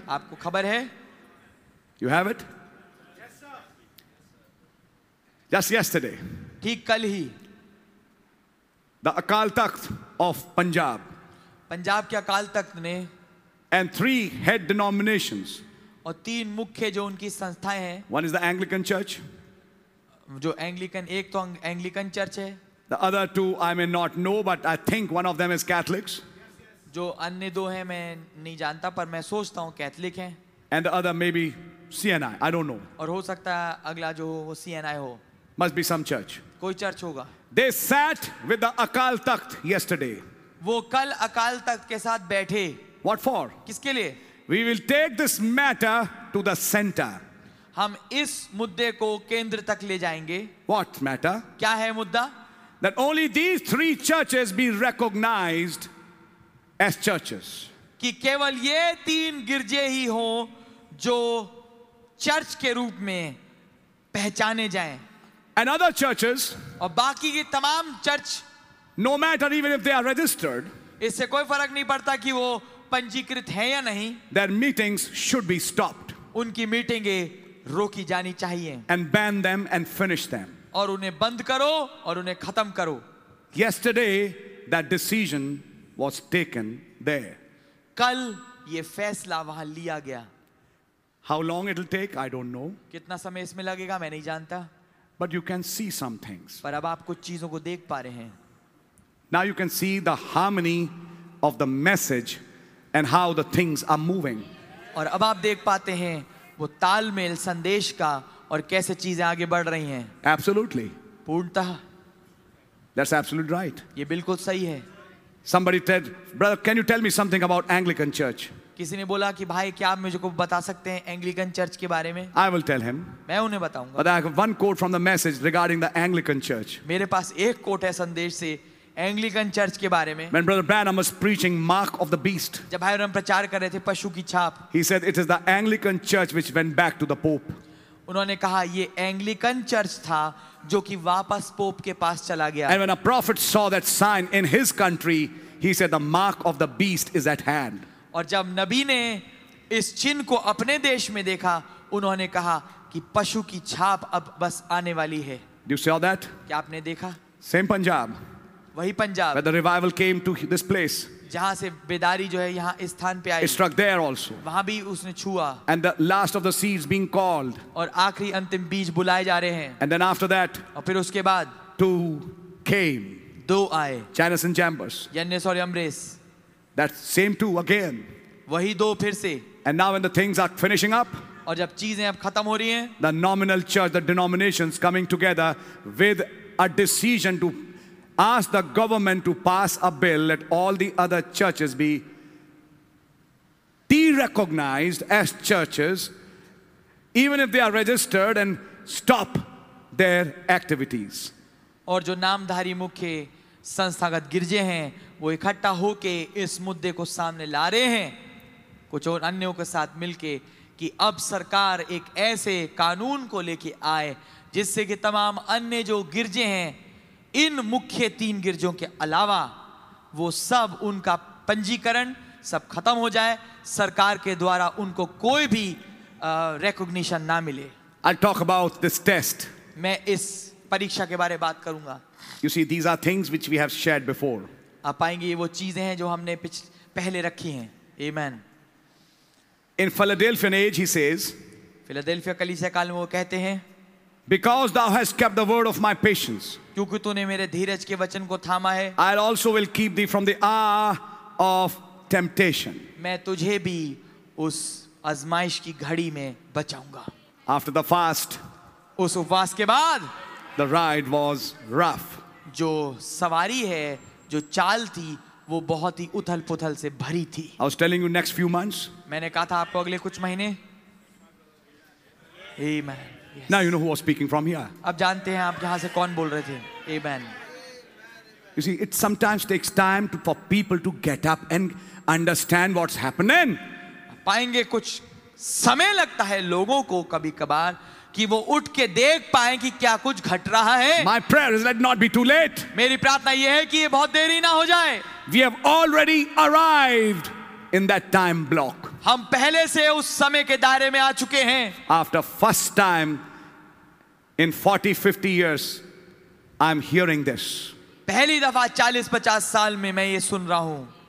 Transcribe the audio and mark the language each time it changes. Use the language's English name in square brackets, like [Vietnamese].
[Hindi] आपको खबर है? [English] You have it? Just yesterday. [Hindi] ठीक कल ही. [English] The Akal Takht of Punjab. [Hindi] Punjab के अकाल तख्त ने. [English] And three head denominations. [Hindi] और तीन मुख्य जो उनकी संस्थाएं हैं. [English] One is the Anglican Church. [Hindi] जो एंग्लिकन, एक तो एंग्लिकन चर्च है. [English] The other two I may not know, but I think one of them is Catholics. [Hindi] जो अन्य दो हैं मैं नहीं जानता, पर मैं सोचता हूँ कैथलिक हैं. [English] And the other maybe CNI. I don't know. [Hindi] और हो सकता है अगला जो वो CNI हो. [English] Must be some church. [Hindi] कोई चर्च होगा. [English] They sat with the Akal Takht yesterday. [Hindi] वो कल अकाल तख्त के साथ बैठे. [English] What for? [Hindi] किसके लिए? [English] We will take this matter to the center. [Hindi] हम इस मुद्दे को केंद्र तक ले जाएंगे. [English] What matter? [Hindi] क्या है मुद्दा? [English] That only these three churches be recognized as churches. [Hindi] कि केवल ये तीन गिरजे ही हों जो चर्च के रूप में पहचाने जाएं. [English] And other churches, [Hindi] और बाकी की तमाम church, [English] no matter even if they are registered, [Hindi] इससे कोई फर्क नहीं पड़ता कि वो पंजीकृत हैं या नहीं, [English] their meetings should be stopped. [Hindi] उनकी मीटिंगें रोकी जानी चाहिए. [English] And ban them and finish them. [Hindi] और उन्हें बंद करो और उन्हें खत्म करो. [English] Yesterday, that decision was taken there. [Hindi] कल ये फैसला वहां लिया गया. [English] How long it'll take, I don't know. [Hindi] कितना समय इसमें लगेगा मैं नहीं जानता. [English] But you can see some things. [Hindi] पर अब आप कुछ चीजों को देख पा रहे हैं. [English] Now you can see the harmony of the message and how the things are moving. [Hindi] और अब आप देख पाते हैं वो तालमेल संदेश का और कैसे चीजें आगे बढ़ रही हैं. [English] Absolutely. [Hindi] पूर्णतः. [English] That's absolutely right. [Hindi] ये बिल्कुल सही है. [English] Somebody said, brother, can you tell me something about Anglican Church? [Hindi] किसी ने बोला कि भाई क्या आप मुझे को बता सकते हैं एंग्लिकन चर्च के बारे में? [English] I will tell him. [Hindi] मैं उन्हें बताऊंगा. [English] But I have one quote from the message regarding the Anglican Church. [Hindi] मेरे पास एक कोट है संदेश से एंग्लिकन चर्च के बारे में. [English] When Brother Branham was preaching Mark of the Beast. [Hindi] जब भाई ब्रैनम प्रचार कर रहे थे पशु की छाप. [English] He said it is the Anglican Church which went back to the Pope. [Hindi] उन्होंने कहा ये एंग्लिकन चर्च था जो कि वापस पोप के पास चला गया. [English] And when a prophet saw that sign in his country, he said the mark of the beast is at hand. [Hindi] और जब नबी ने इस चिन्ह को अपने देश में देखा उन्होंने कहा कि पशु की छाप अब बस आने वाली है. [English] You saw that? [Hindi] क्या आपने देखा? [English] Same Punjab. [Hindi] वही Punjab. [English] Where the revival came to this place. [Hindi] जहाँ से बेदारी जो है यहाँ इस स्थान पे आई. [English] It struck there also. [Hindi] वहाँ भी उसने छुआ. [English] And the last of the seeds being called. [Hindi] और आखरी अंतिम बीज बुलाए जा रहे हैं. [English] And then after that. [Hindi] और फिर उसके बाद. [English] Two came. [Hindi] दो आए. [English] Jannes and Jambres. [Hindi] Jannes और Jambres. [English] That same two again. [Hindi] वही दो फिर से. [English] And now when the things are finishing up. [Hindi] और जब चीजें अब खत्म हो रही हैं. [English] The nominal church, the denominations coming together with a decision to ask the government to pass a bill that all the other churches be de-recognized as churches, even if they are registered, and stop their activities. [Hindi] और जो नामधारी मुख्य संस्थागत गिरजे हैं, वो इकट्ठा होके इस मुद्दे को सामने ला रहे हैं, कुछ और अन्यों के साथ मिलके, कि अब सरकार एक ऐसे कानून को लेके आए, जिससे कि तमाम अन्य जो गिरजे हैं इन मुख्य तीन गिरजों के अलावा वो सब उनका पंजीकरण सब खत्म हो जाए, सरकार के द्वारा उनको कोई भी रिकॉग्निशन ना मिले. [English] I'll talk about this test. [Hindi] मैं इस परीक्षा के बारे में बात करूंगा. [English] You see, these are things which we have shared before. [Hindi] आप पाएंगे ये वो चीजें हैं जो हमने पहले रखी हैं. [English] Amen. In Philadelphian age, he says. [Hindi] Philadelphia कलीसिया काल में वो कहते हैं. [English] Because thou hast kept the word of my patience. [Hindi] क्योंकि तूने मेरे धीरज के वचन को थामा है. [English] I also will keep thee from the hour of temptation. [Hindi] मैं तुझे भी उस आजमाइश की घड़ी में बचाऊंगा. [English] After the fast. [Hindi] उस उपवास के बाद. [English] The ride was rough. [Hindi] जो सवारी है, जो चाल थी, वो बहुत ही उथल-पुथल से भरी थी. [English] I was telling you next few months. [Hindi] मैंने कहा था आपको अगले कुछ महीने. [English] Amen. Yes. Now you know who was speaking from here. [Hindi] अब जानते हैं आप यहाँ से कौन बोल रहे थे. [English] Amen. You see, it sometimes takes time to, for people to get up and understand what's happening. [Hindi] पाएंगे कुछ समय लगता है लोगों को कभी-कभार कि वो उठ के देख पाएं कि क्या कुछ घट रहा है. [English] My prayer is let not be too late. [Hindi] मेरी प्रार्थना ये है कि ये बहुत देरी ना हो जाए. [English] We have already arrived in that time block. [Hindi] हम पहले से उस समय के दायरे में आ चुके हैं. [English] After first time in 40-50 years, I'm hearing this. [Hindi] पहली दफा 40-50 साल में मैं ये सुन रहा हूँ.